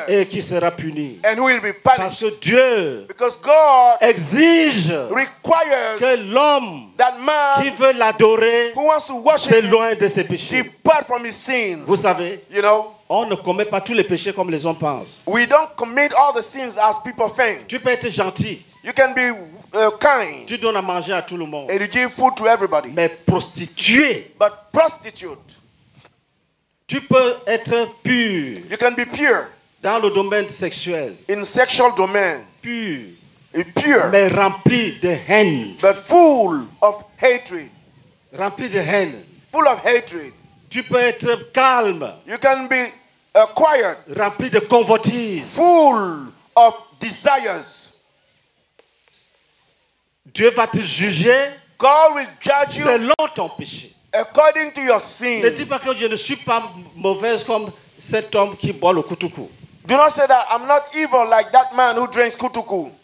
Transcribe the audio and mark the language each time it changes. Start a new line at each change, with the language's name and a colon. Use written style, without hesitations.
French: Et qui sera puni.
English: And who will be punished.
French: Parce que Dieu.
English: Because God.
French: Exige.
English: Requires.
French: que l'homme
English: that man
French: qui veut l'adorer
English: who wants to worship
French: s'est loin de ses péchés.
English: Depart from his sins.
French: Vous savez,
English: you know,
French: on ne commet pas tous les péchés comme les hommes pensent.
English: We don't commit all the sins as people think.
French: Tu peux être gentil.
English: You can be kind.
French: Tu donnes à manger à tout le monde.
English: And you give food to everybody.
French: Mais prostituée.
English: But prostitute.
French: Tu peux être pur.
English: You can be pure.
French: Dans le domaine sexuel.
English: In sexual domain.
French: Pur.
English: Pure.
French: Mais rempli de haine.
English: But full of hatred.
French: Rempli de haine.
English: Full of hatred.
French: Tu peux être calme.
English: You can be quiet.
French: Rempli de convoitise.
English: Full of desires.
French: Dieu va te juger.
English: God will judge you.
French: Selon ton péché.
English: According to your sin.
French: Ne dis pas que je ne suis pas mauvaise comme cet homme qui boit le kutuku.
English: Do not say that I'm not evil like that man who drinks kutuku.